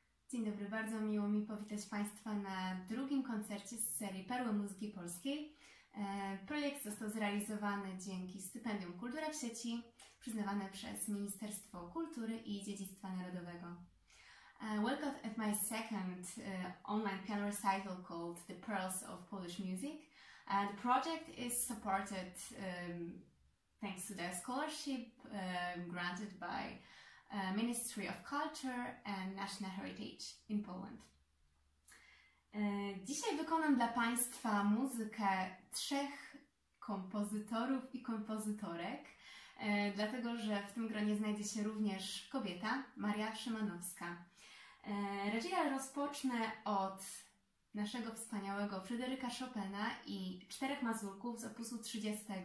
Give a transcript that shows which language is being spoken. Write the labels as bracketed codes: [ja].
[pl] Dzień dobry, bardzo miło mi powitać Państwa na drugim koncercie z serii Perły Muzyki Polskiej. Projekt został zrealizowany dzięki stypendium Kultura w sieci, przyznawane przez Ministerstwo Kultury i Dziedzictwa Narodowego. [en] Welcome at my second online piano recital called The Pearls of Polish Music. The project is supported thanks to the scholarship granted by Ministry of Culture and National Heritage in Poland. [pl] Dzisiaj wykonam dla Państwa muzykę trzech kompozytorów i kompozytorek, dlatego że w tym gronie znajdzie się również kobieta, Maria Szymanowska. Recital rozpocznę od naszego wspaniałego Fryderyka Chopina i Czterech Mazurków z opusu 30.